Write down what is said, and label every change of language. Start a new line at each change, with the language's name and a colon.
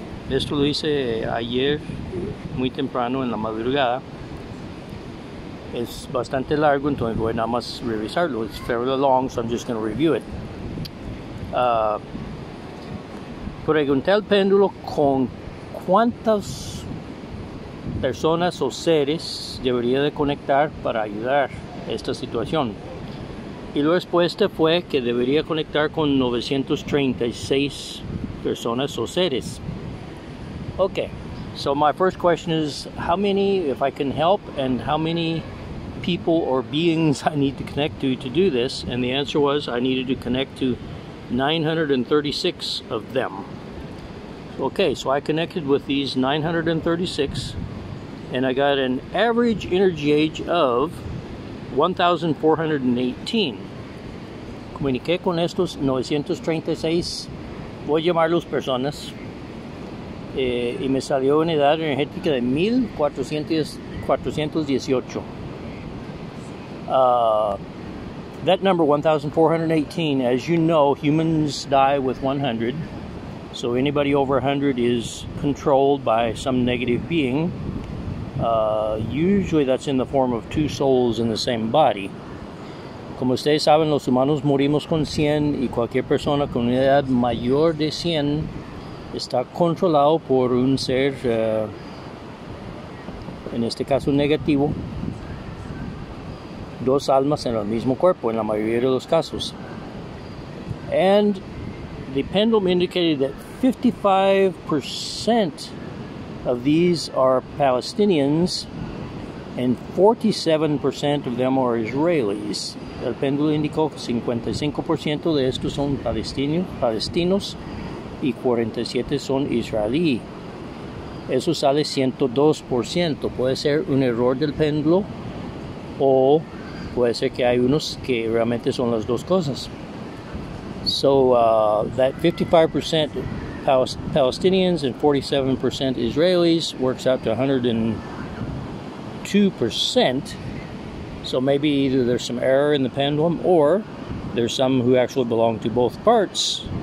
Spanish: Esto lo hice ayer muy temprano en la madrugada. Es bastante largo, entonces voy nada más revisarlo.
English: It's fairly long, so I'm just going to review it.
Spanish: Pregunté al péndulo con cuántas personas o seres debería de conectar para ayudar esta situación. Y la respuesta fue que debería conectar con 936 personas o seres.
English: Okay, so my first question is, how many, if I can help, and how many people or beings I need to connect to do this? And the answer was, I needed to connect to 936 of them. Okay, so I connected with these 936, and I got an average energy age of 1,418.
Spanish: Comuniqué con estos 936, voy a llamarlos personas, y me salió una edad energética de 1,418.
English: That number, 1,418, as you know, humans die with 100, so anybody over 100 is controlled by some negative being. Usually that's in the form of two souls in the same body.
Spanish: Como ustedes saben, los humanos morimos con 100 y cualquier persona con una edad mayor de 100 está controlado por un ser, en este caso negativo, dos almas en el mismo cuerpo, en la mayoría de los casos.
English: And the pendulum indicated that 55% of these are Palestinians and 47% of them are Israelis.
Spanish: El péndulo indicó que 55% de estos son palestinos y 47% son israelí. Eso sale 102%. Puede ser un error del péndulo o puede ser que hay unos que realmente son las dos cosas.
English: So that 55% Palestinians and 47% Israelis works out to 102%. So maybe either there's some error in the pendulum or there's some who actually belong to both parts.